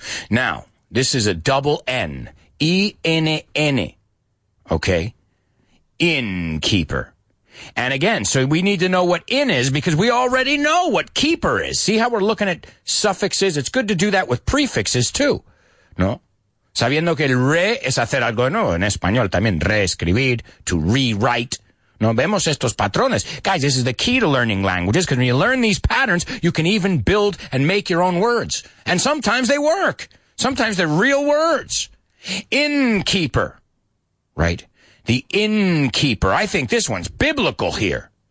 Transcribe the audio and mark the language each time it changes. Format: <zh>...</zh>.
<en>Now, this is a double N, E-N-N, okay? Innkeeper. And again, so we need to know what inn is because we already know what keeper is. See how we're looking at suffixes? It's good to do that with prefixes too, no?</en> <es>Sabiendo que el re es hacer algo, no, en español también, reescribir,</es> <en>to rewrite.</en> <es>No, vemos estos patrones.</es> <en>Guys, this is the key to learning languages, because when you learn these patterns, you can even build and make your own words. And sometimes they work. Sometimes they're real words. Innkeeper, right? The innkeeper. I think this one's biblical here.</en>